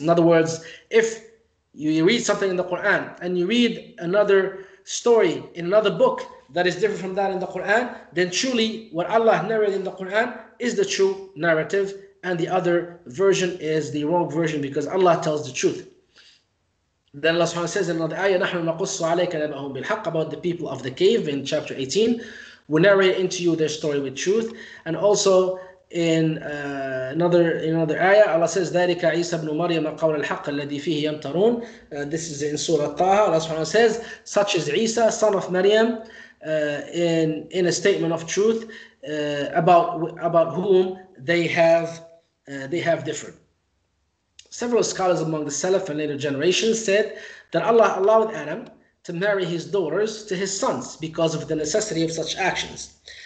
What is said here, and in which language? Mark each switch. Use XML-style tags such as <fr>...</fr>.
<en>In other words, if you read something in the Quran and you read another story in another book that is different from that in the Quran, then truly what Allah narrated in the Quran is the true narrative and the other version is the wrong version because Allah tells the truth. Then Allah Subhanahu says in another ayah,</en> <ar>نحن نقص عليك نبأهم بالحق,</ar> <en>about the people of the cave in chapter 18. We narrate into you their story with truth. And also in another ayah, Allah says,</en> <ar>ذلك عيسى بن مريم قول الحق الذي فيه يمترون.</ar> <en>This is in Surah Taha. Allah Subhanahu says, such is Isa, son of Maryam, in a statement of truth about whom they have differed. Several scholars among the Salaf and later generations said that Allah allowed Adam to marry his daughters to his sons because of the necessity of such actions.</en>